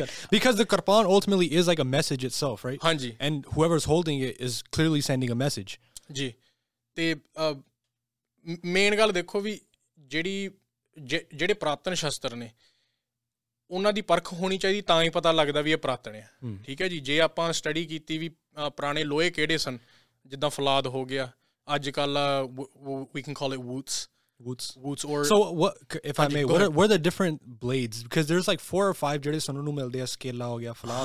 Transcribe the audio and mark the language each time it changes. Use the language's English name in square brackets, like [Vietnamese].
[English] because the kirpan ultimately is like a message itself, right? [Punjabi] ਹਾਂਜੀ, [English] and whoever is holding it is clearly sending a message. [Punjabi] ਜੀ, ਤੇ main ਗੱਲ ਦੇਖੋ ਵੀ ਜਿਹੜੀ ਜਿਹੜੇ ਪੁਰਾਤਨ ਸ਼ਸਤਰ ਨੇ ਉਹਨਾਂ ਦੀ ਪਰਖ ਹੋਣੀ ਚਾਹੀਦੀ, ਤਾਂ ਹੀ ਪਤਾ ਲੱਗਦਾ ਵੀ ਇਹ ਪੁਰਾਤਨ ਆ, ਠੀਕ ਹੈ ਜੀ। ਜੇ ਆਪਾਂ ਸਟੱਡੀ ਕੀਤੀ ਵੀ ਪੁਰਾਣੇ ਲੋਹੇ ਕਿਹੜੇ ਸਨ, ਜਿੱਦਾਂ ਫਲਾਦ ਹੋ ਗਿਆ, ਅੱਜ ਕੱਲ੍ਹ ਵੀ [English] can call it ਵੂਡਸ, woods or so what if I may, what are the different blades, because there's like 4 or 5 [Punjabi] jehde sanu milde hai, [English] skela ho gaya, flaw,